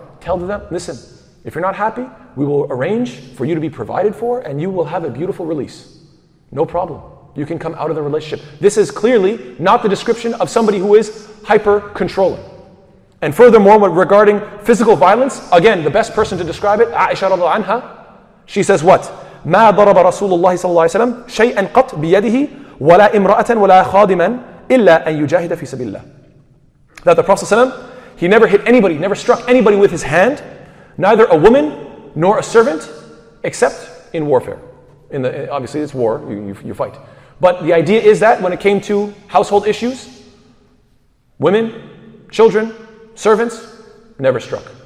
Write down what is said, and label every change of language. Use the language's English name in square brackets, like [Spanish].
[English] Tell them, listen, if you're not happy, we will arrange for you to be provided for and you will have a beautiful release. No problem. You can come out of the relationship. This is clearly not the description of somebody who is hyper-controlling. And furthermore, regarding physical violence, again, the best person to describe it, Aisha radhiallahu anha, she says what? [Arabic] ما ضرب رسول الله صلى الله عليه وسلم شيئا قط بيده ولا امرأة ولا خادما إلا أن يجاهد في سبيل الله. [English] That the Prophet صلى الله عليه وسلم, he never hit anybody, never struck anybody with his hand, neither a woman nor a servant, except in warfare. In the, obviously it's war, you fight. But the idea is that when it came to household issues, women, children, servants, never struck.